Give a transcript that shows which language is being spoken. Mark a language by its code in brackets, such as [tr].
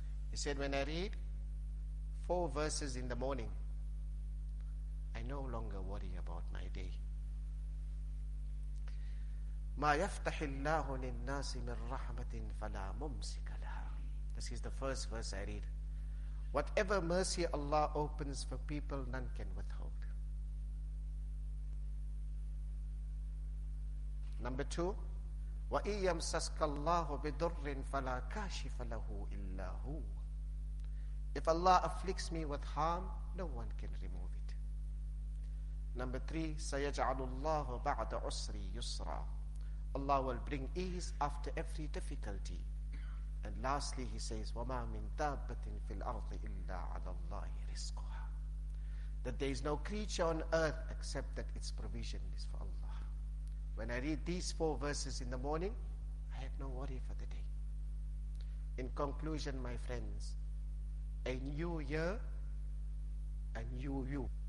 [en] He said, when I read 4 verses in the morning, I no longer worry about my day. [ar] مَا يَفْتَحِ اللَّهُ لِلنَّاسِ مِنْ رَحْمَةٍ فَلَا مُمْسِكَ لَهَا. [en] This is the first verse I read. Whatever mercy Allah opens for people, none can withhold. Number two, [ar] وَإِن يَمْسَسْكَ اللَّهُ بِضُرٍّ فَلَا كَاشِفَ لَهُ إِلَّا هُوَ. [en] If Allah afflicts me with harm, no one can remove it. Number three, [ar] سَيَجْعَلُ اللَّهُ بَعْدَ عُسْرِ يُسْرًا. [en] Allah will bring ease after every difficulty. And lastly, he says, [ar] وَمَا مِن دَابَّةٍ فِي الْأَرْضِ إِلَّا عَلَى اللَّهِ رِزْقُهَا. [en] That there is no creature on earth except that its provision is for Allah. When I read these 4 verses in the morning, I have no worry for the day. In conclusion, my friends, a new year, a new you.